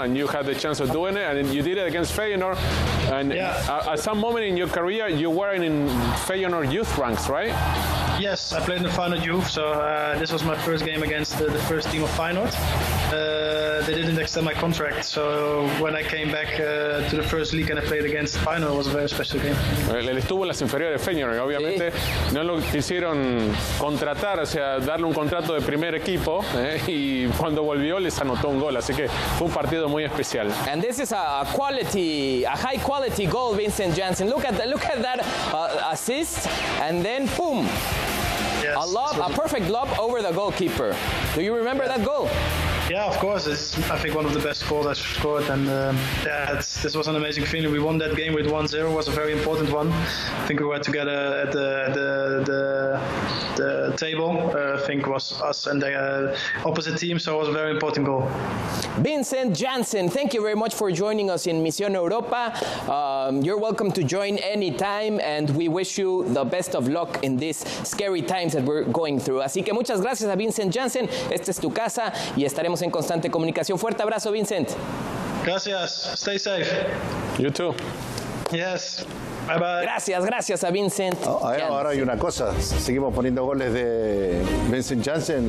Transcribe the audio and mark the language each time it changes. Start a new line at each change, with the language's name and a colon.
English: And you had the chance of doing it, and you did it against Feyenoord. And at some moment in your career, you were in Feyenoord youth ranks, right? Yes, I played in the Feyenoord youth. So this was my first game against the first team of Feyenoord. they didn't extend my contract. So when I came back to the first league and I played against the final, it was a very special game.
Spanish: Él estuvo en las inferiores de Feyenoord, obviamente no lo quisieron contratar, o sea, darle un contrato de primer equipo, y cuando volvió les anotó un gol, así que fue un partido muy especial.
English: And this is a quality, a high quality goal, Vincent Janssen. Look at that assist, and then boom. Yes, a lob, a perfect lob over the goalkeeper. Do you remember that goal? Yeah, of course. It's, I think, one of the best goals I've scored. And this was an amazing feeling. We won that game with 1-0. It was a very important one. I think we were together at the table. I think it was us and the opposite team. So it was a very important goal. Vincent Janssen, thank you very much for joining us in Misión Europa. You're welcome to join anytime. And we wish you the best of luck in these scary times that we're going through.
Spanish: Así que muchas gracias a Vincent Janssen. Esta es tu casa y estaremos en constante comunicación. Fuerte abrazo, Vincent. Gracias.
English: Stay safe. You too. Yes. Bye bye.
Spanish: Gracias a Vincent. Ahora hay una cosa. Seguimos poniendo goles de Vincent Janssen.